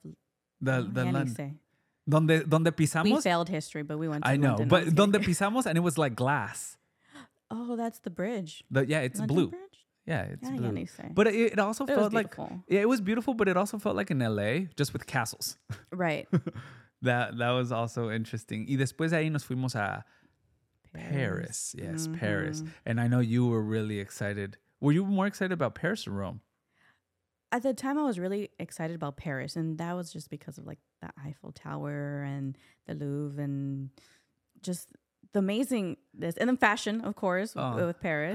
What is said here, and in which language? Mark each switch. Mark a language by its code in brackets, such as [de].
[en] the London. [es] Donde pisamos? [en] We failed history, but we went to I know, London, but [es] donde pisamos, [en] and it was like glass. Oh, that's the bridge. It's London blue. Bridge? Yeah, it's blue. Yeah, but it also but felt it like... Yeah, it was beautiful, but it also felt like in LA, just with castles. Right. That was also interesting. [es] Y después de ahí nos fuimos a Paris. [en] Yes, mm-hmm. Paris. And I know you were really excited. Were you more excited about Paris or Rome? At the time, I was really excited about Paris, and that was just because of, like, the Eiffel Tower and the Louvre and just the amazingness. And then fashion, of course, with Paris.